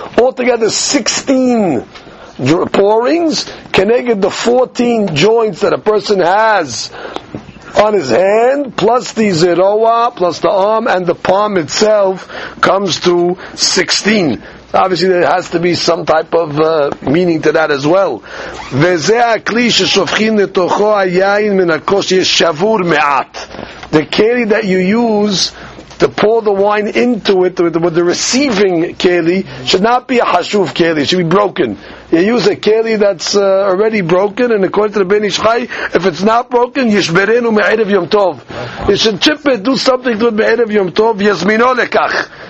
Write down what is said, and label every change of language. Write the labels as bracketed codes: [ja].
[en] Altogether 16 pourings connected the 14 joints that a person has on his hand, plus the zeroa, plus the arm, and the palm itself comes to 16. Obviously, there has to be some type of meaning to that as well. [he] וזה הכלי ששופכים לתוכו היין מן הכוס שיש שבור מעט. [en] The keli that you use to pour the wine into it with the receiving keli should not be a hashuv keli, it should be broken. You use a keli that's already broken, and according to the Ben Ishchai, if it's not broken, [he] yishberenu me'erev yom tov. [en] You should chip it, do something to it [he] me'erev yom tov, yazmino lekach.